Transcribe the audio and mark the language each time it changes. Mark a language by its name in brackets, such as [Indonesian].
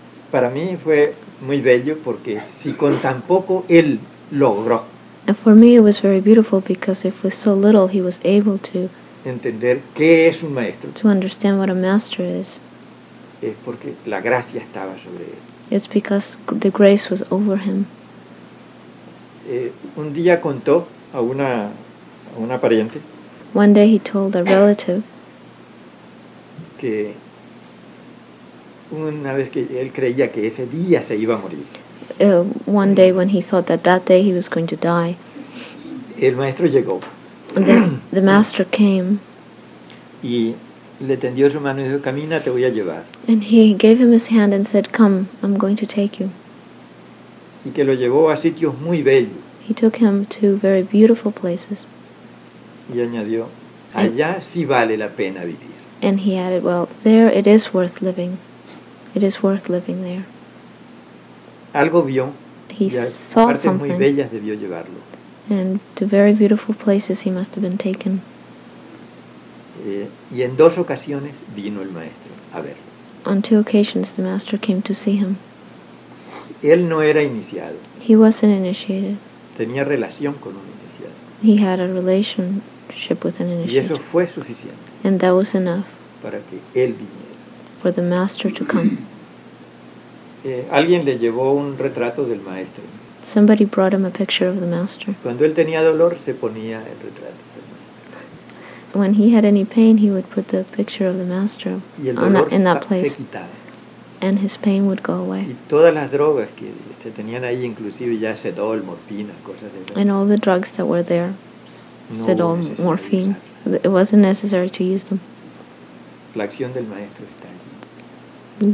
[Spanish] Para mí fue muy bello porque si con tan poco él logró. [English] And for me it was very beautiful because if with so little he was able to [Spanish] entender qué es un maestro. [English] To understand what a master is. [Spanish] Es porque la gracia estaba sobre él. [English] It's because the grace was over him. [Spanish] Un día contó a una pariente. [English] One day he told a relative [Spanish] que una vez que él creía que ese día se iba a morir. [English] One day when he thought that day he was going to die. [Spanish] El maestro llegó. [English] The master came. [Spanish] Y le tendió su mano y dijo, camina, te voy a llevar. [English] And he gave him his hand and said, come, I'm going to take you. [Spanish] Y que lo llevó a sitios muy bellos. [English] He took him to very beautiful places. [Spanish] Y añadió, allá sí vale la pena vivir. [English] And he added, well, there it is worth living. It is worth living there. [Spanish] Algo vio. [English] He [Spanish] y a [English] saw [Spanish] partes [English] something. [Spanish] Muy bellas debió llevarlo. [English] And to very beautiful places he must have been taken. [Spanish] Y en dos ocasiones vino el maestro a verlo. [English] On two occasions the master came to see him. [Spanish] Él no era iniciado. [English] He wasn't initiated. [Spanish] Tenía relación con un iniciado. [English] He had a relationship with an initiate. [Spanish] Y eso fue suficiente. [English] And that was enough. [Spanish] Para que él viniera. [English] For the master to come. [Spanish] Alguien le llevó un retrato del maestro. [English] Somebody brought him a picture of the master. [Spanish] Cuando él tenía dolor, se ponía el retrato del maestro. [English] When he had any pain, he would put the picture of the master in that place. [Spanish] Se quitaba. [English] And his pain would go away. [Spanish] Y todas las drogas que se tenían ahí, inclusive ya Sedol, morfina, cosas de esas. [English] And all the drugs that were there, [Spanish] no [English] Sedol, morphine, it wasn't necessary to use them. [Spanish] La acción del maestro está allí.